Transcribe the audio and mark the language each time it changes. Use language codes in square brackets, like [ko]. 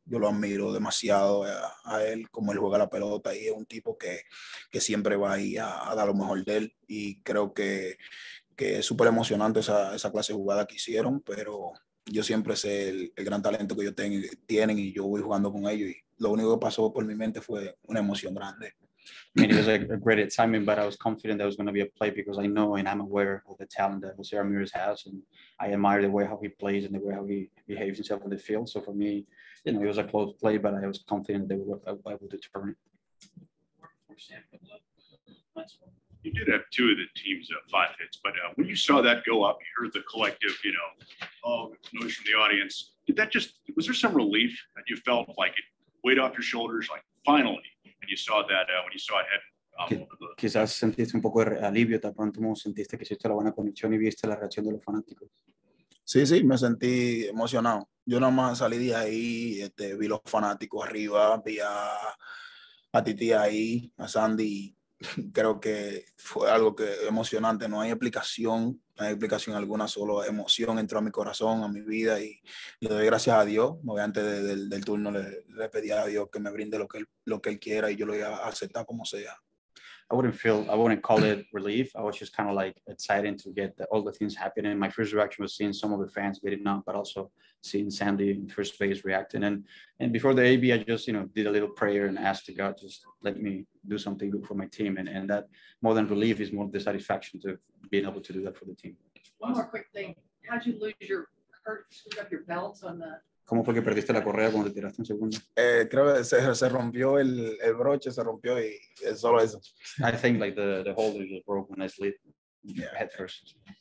[es] Yo lo admiro demasiado a él, como él juega la pelota y es un tipo que siempre va ahí a dar lo mejor de él y creo que es súper emocionante esa clase de jugada que hicieron, pero yo siempre sé el gran talento que ellos tienen y yo voy jugando con ellos y lo único que pasó por mi mente fue una emoción grande. [en] I mean, it was a great timing, but I was confident that it was going to be a play because I know and I'm aware of the talent that Jose Ramirez has and I admire the way how he plays and the way how he behaves himself on the field. So for me, you know, it was a close play, but I was confident they were able to turn it. You did have two of the team's five hits, but when you saw that go up, you heard the collective, you know, noise from the audience. Was there some relief that you felt like it weighed off your shoulders, like finally, and you saw that when you saw it head? [es] Quizás sentiste un poco de alivio, tan pronto sentiste que hiciste la buena conexión y viste la reacción de los fanáticos. Sí, sí, me sentí emocionado. Yo nada más salí de ahí, vi los fanáticos arriba, vi a Titi ahí, a Sandy. Creo que fue algo que emocionante, no hay explicación alguna, solo emoción entró a mi corazón, a mi vida y le doy gracias a Dios. Antes del turno le pedí a Dios que me brinde lo que él quiera y yo lo voy a aceptar como sea. [en] I wouldn't call it relief. I was just kind of like excited to get all the things happening. My first reaction was seeing some of the fans getting up, but also seeing Sandy in first base reacting. And before the AB, I just, you know, did a little prayer and asked to God, just let me do something good for my team. And that more than relief is more the satisfaction to being able to do that for the team. One more quick thing. How'd you lose your screwed up your belts on the... [es] ¿Cómo fue que perdiste la correa cuando te tiraste un segundo? Creo que se rompió el broche, se rompió y es solo eso. [en] I think like the holder just broke when I slid. Yeah. Head first.